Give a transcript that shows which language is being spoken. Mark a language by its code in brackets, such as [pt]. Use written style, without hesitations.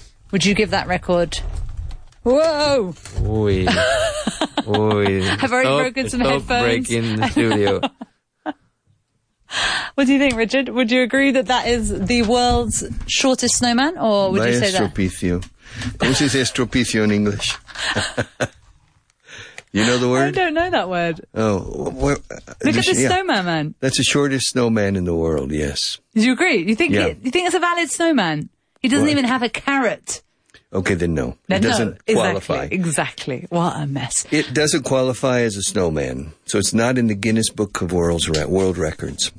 [en] Would you give that record? Whoa! Uy. Uy. I've already broken some headphones. Break in the studio. What do you think, Richard? Would you agree that that is the world's shortest snowman, or would you say that? [es] Estropicio. ¿Cómo se dice estropicio [en] in English? You know the word? I don't know that word. Oh. Look at this snowman, man. That's the shortest snowman in the world, yes. Do you agree? You think it's a valid snowman? He doesn't even have a carrot. Okay, then no. Then it doesn't qualify. Exactly. What a mess. It doesn't qualify as a snowman. So it's not in the Guinness Book of World Records.